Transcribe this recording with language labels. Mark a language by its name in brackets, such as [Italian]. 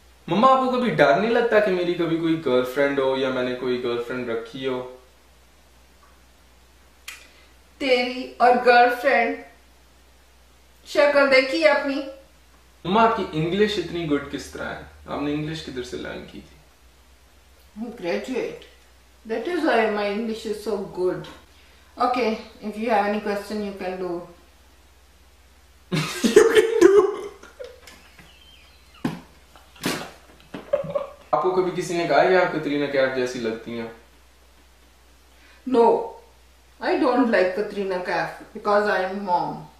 [Hindi] मम्मा आपको कभी डर नहीं लगता कि मेरी कभी कोई गर्लफ्रेंड हो या मैंने कोई गर्लफ्रेंड रखी हो? तेरी और गर्लफ्रेंड शक्ल देखी अपनी. मम्मा आपकी इंग्लिश इतनी गुड किस तरह है? आपने इंग्लिश किधर से लर्न की थी? Graduate. [English] That is why my English is so good. Okay, if you have any question, you can do. You can do. [Hindi] आपको कभी किसी ने कहा है आप कैटरीना कैफ जैसी लगती हैं? [English] No, I don't like Katrina Kaif because I am mom.